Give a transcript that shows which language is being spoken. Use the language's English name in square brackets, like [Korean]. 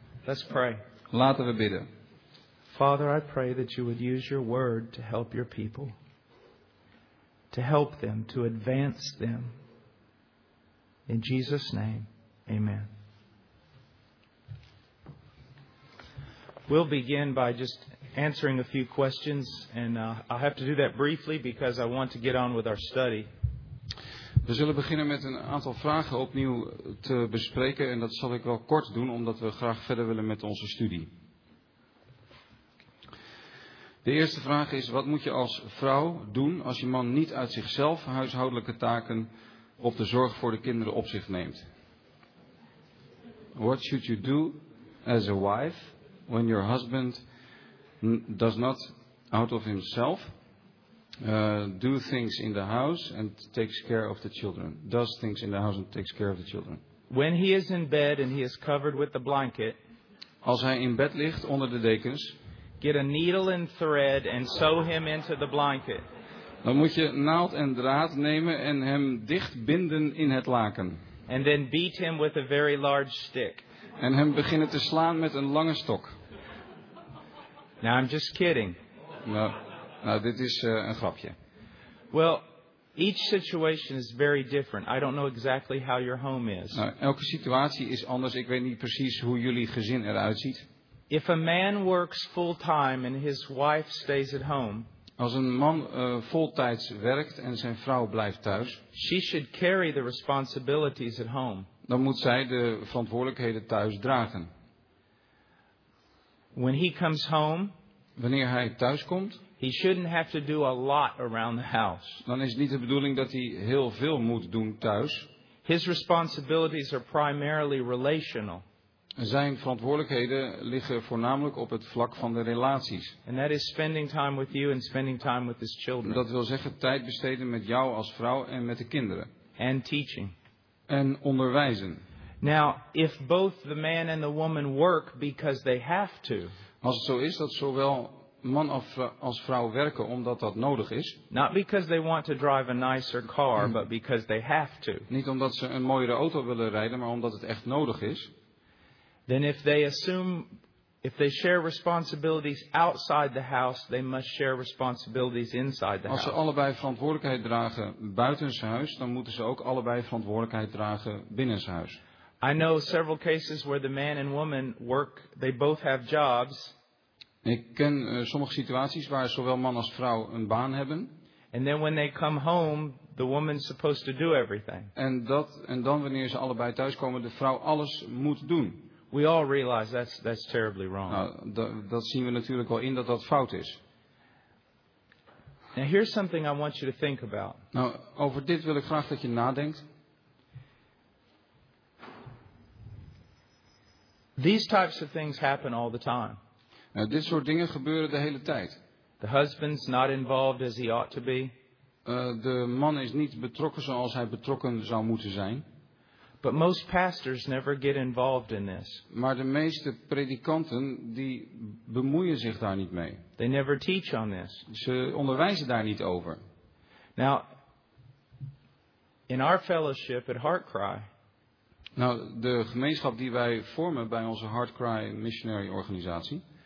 [English] Let's pray. [Dutch] Laten we bidden. [English] Father, I pray that you would use your word to help your people. To help them, to advance them. In Jesus' name, amen. We'll begin by just answering a few questions. And I have to do that briefly because I want to get on with our study. [Dutch] We zullen beginnen met een aantal vragen opnieuw te bespreken en dat zal ik wel kort doen omdat we graag verder willen met onze studie. De eerste vraag is, wat moet je als vrouw doen als je man niet uit zichzelf huishoudelijke taken op de zorg voor de kinderen op zich neemt? [English] What should you do as a wife when your husband does not out of himself do things in the house and takes care of the children. Does things in the house and takes care of the children. When he is in bed and he is covered with the blanket. [Dutch] Als hij in bed ligt onder de dekens. [English] Get a needle and thread and sew him into the blanket. [Dutch] Dan moet je naald en draad nemen en hem dicht binden in het laken. [English] And then beat him with a very large stick. [Dutch] En hem beginnen te slaan met een lange stok. [English] Now I'm just kidding. No. [Dutch] Nou, dit is een grapje. [English] Well, each situation is very different. I don't know exactly how your home is. [Dutch] Nou, elke situatie is anders. Ik weet niet precies hoe jullie gezin eruit ziet. [English] If a man works full time and his wife stays at home. [Dutch] Als een man voltijds werkt en zijn vrouw blijft thuis. [English] She should carry the responsibilities at home. [Dutch] Dan moet zij de verantwoordelijkheden thuis dragen. [English] When he comes home. [Dutch] Wanneer hij thuis komt. [English] He shouldn't have to do a lot around the house. [Dutch] Dan is het niet de bedoeling dat hij heel veel moet doen thuis. [English] His responsibilities are primarily relational. [Dutch] Zijn verantwoordelijkheden liggen voornamelijk op het vlak van de relaties. [English] And that is spending time with you and spending time with his children. [Dutch] Dat wil zeggen tijd besteden met jou als vrouw en met de kinderen. [English] And teaching. [Dutch] En onderwijzen. [English] Now, if both the man and the woman work because they have to. [Dutch] Als het zo is dat zowel man als vrouw werken omdat dat nodig is. [English] Not because they want to drive a nicer car, but because they have to. [Dutch] Niet omdat ze een mooiere auto willen rijden, maar omdat het echt nodig is. [English] Then if they assume, if they share responsibilities outside the house, they must share responsibilities inside the house. [Dutch] Als ze allebei verantwoordelijkheid dragen buitenshuis, dan moeten ze ook allebei verantwoordelijkheid dragen binnenshuis. [English] I know several cases where the man and woman work, they both have jobs. [Dutch] Ik ken sommige situaties waar zowel man als vrouw een baan hebben. [English] And then when they come home, the woman's supposed to do everything. [Dutch] En dan wanneer ze allebei thuiskomen, de vrouw alles moet doen. [English] We all realize that's terribly wrong. [Dutch] Nou, dat zien we natuurlijk wel in dat fout is. [English] Now here's something I want you to think about. [Dutch] Nou, over dit wil ik graag dat je nadenkt. [English] These types of things happen all the time. [Dutch] Nou, dit soort dingen gebeuren de hele tijd. [English] The husband's not involved as he ought to be. [Dutch] De man is niet betrokken zoals hij betrokken zou moeten zijn. [English] But most pastors never get involved in this. [Dutch] Maar de meeste predikanten die bemoeien zich daar niet mee. [English] They never teach on this. [Dutch] Ze onderwijzen daar niet over. [English] Now, in our fellowship at Heartcry. [Dutch] Nou, de gemeenschap die wij vormen bij onze Heartcry missionary organisatie.